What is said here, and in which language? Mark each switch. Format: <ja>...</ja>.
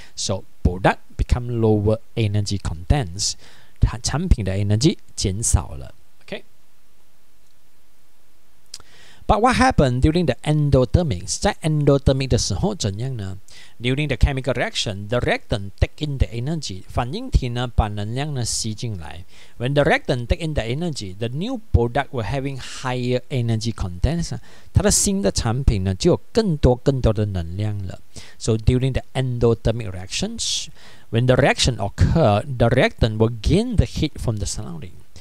<en>So product become lower energy contents.</en> <zh>它产品的 energy 减少了。</zh> <en>But what happened during the endothermic?</en> <zh>在 endothermic 的时候怎样呢？</zh> <en>During the chemical reaction, the reactant take in the energy.</en> <zh>反应体呢把能量呢吸进来。</zh> <en>When the reactant take in the energy, the new product will having higher energy contents.</en> <zh>它的新的产品呢就有更多更多的能量了。</zh> <en>So during the endothermic reactions, when the reaction occur, the reactant will gain the heat from the surrounding.</en>